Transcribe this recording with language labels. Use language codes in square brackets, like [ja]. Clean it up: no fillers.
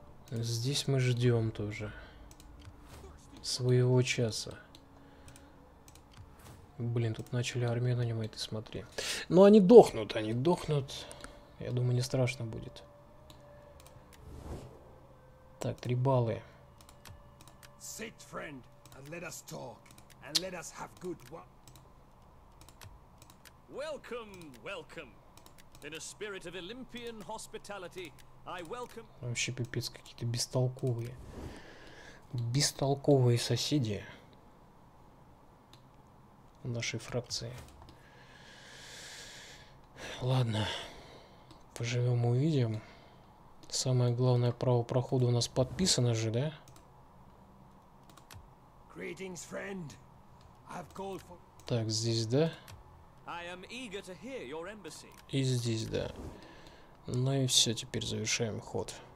[ru] Здесь мы ждем тоже своего часа. Блин, тут начали армию нанимать, ты смотри. Но они дохнут, они дохнут. Я думаю, не страшно будет. Так, 3 баллы. [en] Sit, friend, and let us talk, and let us have good one. Welcome, welcome. In a spirit of Olympian hospitality, I welcome. [ru] Вообще пипец, какие-то бестолковые. Бестолковые соседи в нашей фракции. Ладно. Поживем, увидим. Самое главное, право прохода у нас подписано же, да? [en] Greetings, friend. I've called for... [ru] Так, здесь, да? [en] I am eager to hear your embassy. [ru] И здесь, да. Ну и все, теперь завершаем ход.